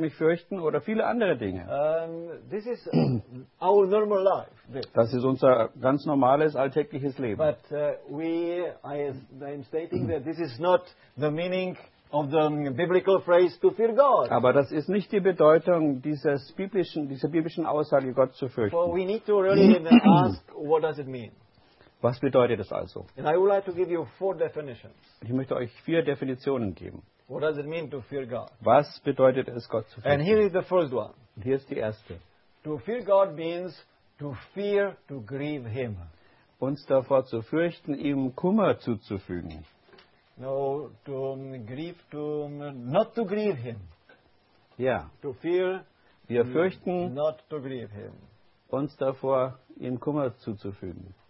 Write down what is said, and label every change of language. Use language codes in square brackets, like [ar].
[de] Mich fürchten oder viele andere Dinge. [en] This is our normal life. [de] Das ist unser ganz normales alltägliches Leben. [en] But I am stating that this is not the meaning of the biblical phrase to fear God. [de] Aber das ist nicht die Bedeutung dieser biblischen Aussage, Gott zu fürchten. [en] For we need to really ask, what does it mean? [de] Was bedeutet das also? [en] And I would like to give you four definitions. [de] Ich möchte euch vier Definitionen geben. [en] What does it mean to fear God? [de] Was bedeutet es, Gott zu fürchten? [en] And here is the first one. [de] Und hier ist die erste. [en] To fear God means to fear to grieve him. [de] Uns davor zu fürchten, ihm Kummer zuzufügen. [en] No, to grieve, to not to grieve him. [de] Ja. [en] To fear. [de] Wir fürchten [en] not to grieve him. [de] Uns davor, ihm Kummer zuzufügen.